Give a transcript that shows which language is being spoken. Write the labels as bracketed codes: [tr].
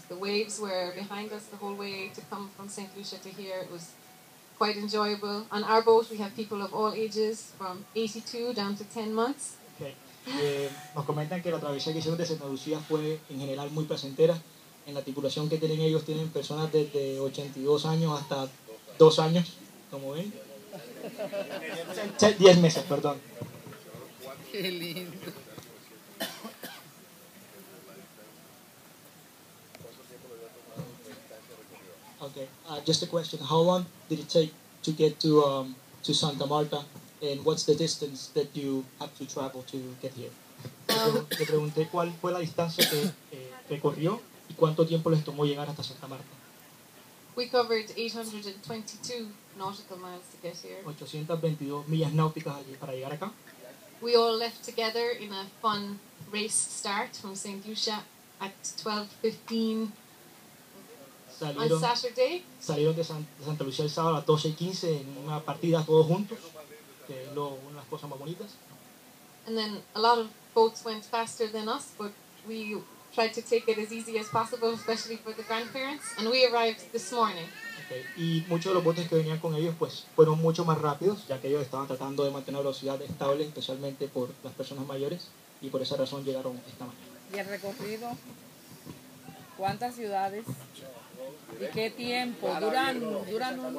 [en] The waves were behind us the whole way to come from St. Lucia to here. It was quite enjoyable. On our boat, we have people of all ages, from 82 down to 10 months. [es] Nos comentan que la travesía que hicieron de Santa Lucía fue en general muy placentera. En la tripulación que tienen ellos, tienen personas desde 82 años hasta 2 años, como ven. 10 meses, perdón. Qué lindo. [en] Okay, just a question. How long did it take to get to Santa Marta? And what's the distance that you have to travel to get here? [es] Le pregunté cuál fue la distancia que recorrió y cuánto tiempo les tomó llegar hasta Santa Marta. [en] We covered 822 nautical miles to get here. [es] 822 millas náuticas para llegar acá. [en] We all left together in a fun race start from St. Lucia at 12:15 [es] salieron, [en] on Saturday. [es] Salieron de Santa Lucia el sábado a 12:15 en una partida todos juntos, que es lo, una de las cosas más bonitas. [en] And then a lot of boats went faster than us, but we tried to take it as easy as possible, especially for the grandparents, and we arrived this morning. [es] Okay. Y muchos de los botes que venían con ellos pues fueron mucho más rápidos, ya que ellos estaban tratando de mantener la velocidad estable, especialmente por las personas mayores, y por esa razón llegaron esta mañana. Y el recorrido, ¿cuántas ciudades y qué tiempo? ¿Duran un...